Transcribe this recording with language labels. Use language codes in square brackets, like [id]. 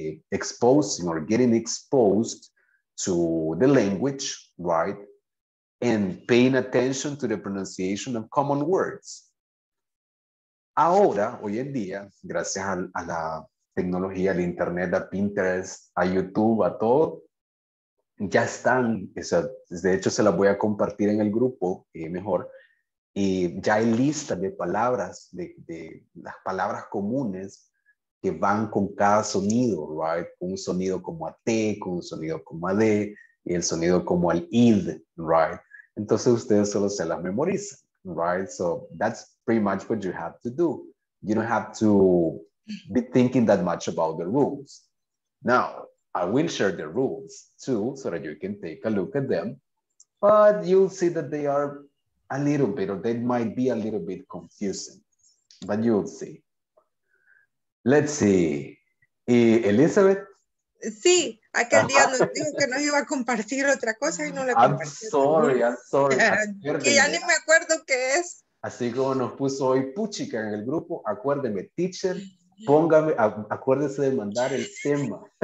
[en] Exposing or getting exposed to the language, right? And paying attention to the pronunciation of common words. [es] Ahora, hoy en día, gracias a la tecnología, al internet, a Pinterest, a YouTube, a todo, ya están, de hecho se las voy a compartir en el grupo, mejor, y ya hay lista de palabras, de las palabras comunes que van con cada sonido, right? Con un sonido como a T, con un sonido como a D, y el sonido como al ID, right? Entonces ustedes solo se las memorizan, right? [en] So that's pretty much what you have to do. You don't have to be thinking that much about the rules. Now, I will share the rules too, so that you can take a look at them, but you'll see that they are a little bit, or they might be a little bit confusing, but you'll see. Let's see. Elizabeth? [es] Sí. Aquel día nos dijo que nos iba a compartir otra cosa y no la [en] I'm sorry. [es] Que ya ni me acuerdo qué es. Así como nos puso hoy Puchica en el grupo, acuérdeme, teacher, póngame, acuérdese de mandar el tema.